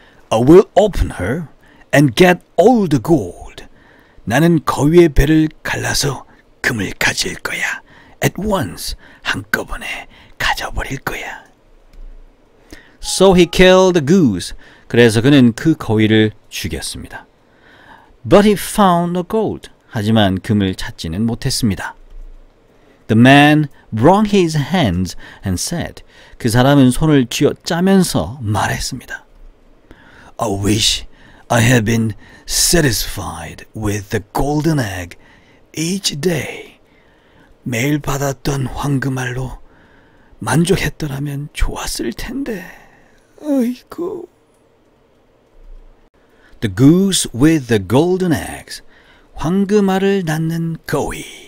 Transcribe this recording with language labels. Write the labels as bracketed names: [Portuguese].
[English] I will open her and get all the gold. [Korean] 나는 거위의 배를 갈라서 금을 가질 거야. [English] At once, [Korean] 한꺼번에 가져버릴 거야. [English] So he killed the goose. [Korean] 그래서 그는 그 거위를 죽였습니다. [English] But he found the gold. [Korean] 하지만 금을 찾지는 못했습니다. [English] The man wrung his hands and said, [Korean] 그 사람은 손을 쥐어짜면서 말했습니다. [English] I wish I had been satisfied with the golden egg each day. [Korean] 매일 받았던 황금알로 만족했더라면 좋았을 텐데. 아이고. [English] The goose with the golden eggs. [Korean] 황금알을 낳는 거위.